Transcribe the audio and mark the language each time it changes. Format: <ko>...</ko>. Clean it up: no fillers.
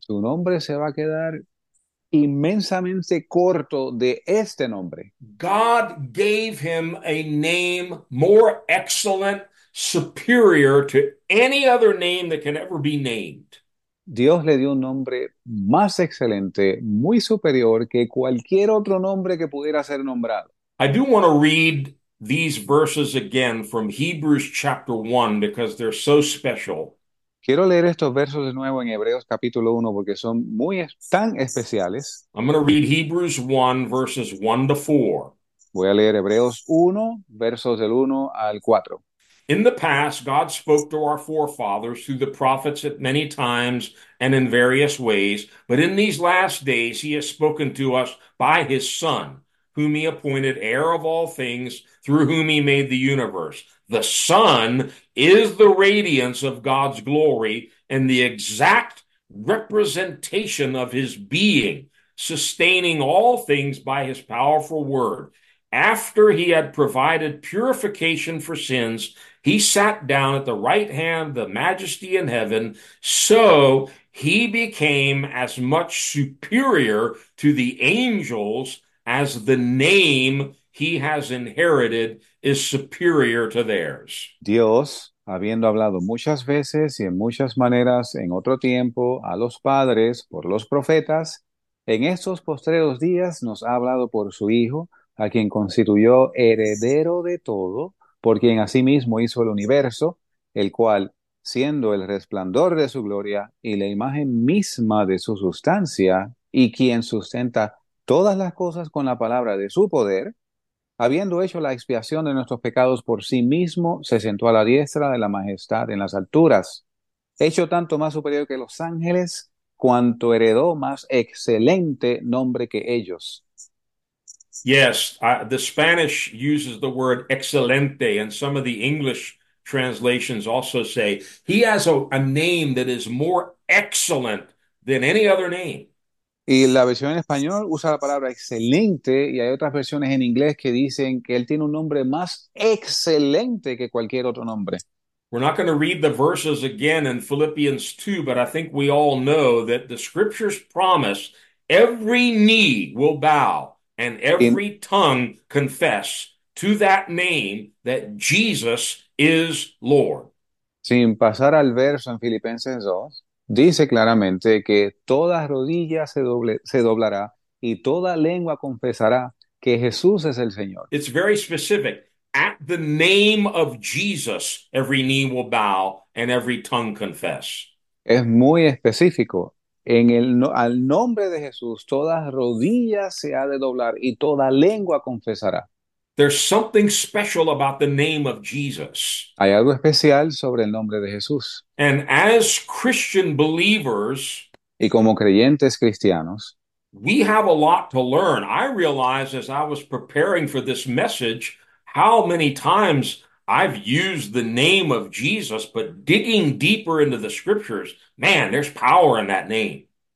<es>Su nombre se va a quedar inmensamente corto de este nombre.</es> <en>God gave him a name more excellent, superior to any other name that can ever be named.</en> <es>Dios le dio un nombre más excelente, muy superior que cualquier otro nombre que pudiera ser nombrado.</es> <en>I do want to read these verses again from Hebrews chapter 1 because they're so special.</en> <es>Quiero leer estos versos de nuevo en Hebreos capítulo 1 porque son tan especiales.</es> <en>I'm going to read Hebrews 1 verses 1 to 4.</en> <es>Voy a leer Hebreos 1, versos del 1 al 4.</es> <en>In the past, God spoke to our forefathers through the prophets at many times and in various ways, but in these last days, he has spoken to us by his Son, whom he appointed heir of all things, through whom he made the universe. The Son is the radiance of God's glory and the exact representation of his being, sustaining all things by his powerful word. After he had provided purification for sins, he sat down at the right hand of the majesty in heaven, so he became as much superior to the angels as the name he has inherited is superior to theirs.</en> <es>Dios, habiendo hablado muchas veces y en muchas maneras en otro tiempo a los padres por los profetas, en estos postreros días nos ha hablado por su Hijo, a quien constituyó heredero de todo, por quien asimismo hizo el universo, el cual, siendo el resplandor de su gloria y la imagen misma de su sustancia, y quien sustenta todas las cosas con la palabra de su poder, habiendo hecho la expiación de nuestros pecados por sí mismo, se sentó a la diestra de la majestad en las alturas, hecho tanto más superior que los ángeles, cuanto heredó más excelente nombre que ellos.</es> <en>Yes, the Spanish uses the word excelente, and some of the English translations also say he has a name that is more excellent than any other name.</en> <es>Y la versión en español usa la palabra excelente y hay otras versiones en inglés que dicen que él tiene un nombre más excelente que cualquier otro nombre.</es> <en>We're not going to read the verses again in Philippians 2, but I think we all know that the scriptures promise every knee will bow. And every tongue confess to that name that Jesus is Lord.</en> <es>Sin pasar al verso en Filipenses 2. Dice claramente que toda rodilla se doblará y toda lengua confesará que Jesús es el Señor.</es> <en>It's very specific. At the name of Jesus, every knee will bow and every tongue confess.</en> <es>Es muy específico. En el no al nombre de Jesús, toda rodilla se ha de doblar y toda lengua confesará.</es> <en>There's something special about the name of Jesus.</en> <es>Hay algo especial sobre el nombre de Jesús.</es> <en>And as Christian believers,</en> <es>Y como creyentes cristianos,</es> <en>we have a lot to learn. I realized as I was preparing for this message how many times I've used the name of Jesus, but digging deeper into the scriptures, man, there's power in that name.</en>